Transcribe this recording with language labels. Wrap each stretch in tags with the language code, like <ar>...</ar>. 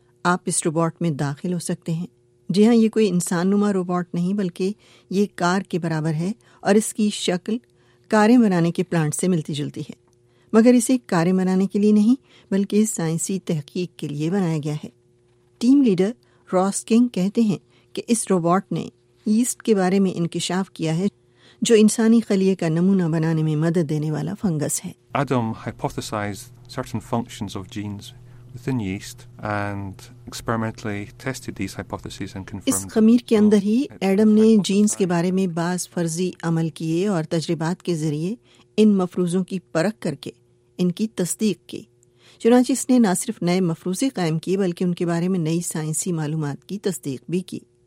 <ur>آپ اس روبوٹ میں داخل ہو سکتے ہیں۔ جی ہاں، یہ کوئی انسان نما روبوٹ نہیں بلکہ یہ کار کے برابر ہے اور اس کی شکل کاریں بنانے کے پلانٹ سے ملتی جلتی ہے، مگر اسے کاریں بنانے کے لیے نہیں بلکہ سائنسی تحقیق کے لیے بنایا گیا ہے۔ ٹیم لیڈر راس کنگ کہتے ہیں کہ اس روبوٹ نے ایسٹ کے بارے میں انکشاف کیا ہے جو انسانی خلیے کا نمونہ بنانے میں مدد دینے والا فنگس ہے.</ur> <en>Adam hypothesized certain functions of genes within yeast and experimentally tested these hypotheses and confirmed.</en> <ur>اس خمیر کے اندر ہی ایڈم نے جینز کے بارے میں بعض فرضی عمل کیے اور تجربات کے ذریعے ان مفروضوں کی پرکھ کر کے ان کی تصدیق کی. چنانچہ اس نے نہ صرف نئے مفروضے قائم کیے بلکہ ان کے بارے میں نئی سائنسی معلومات کی تصدیق بھی کی.</ur>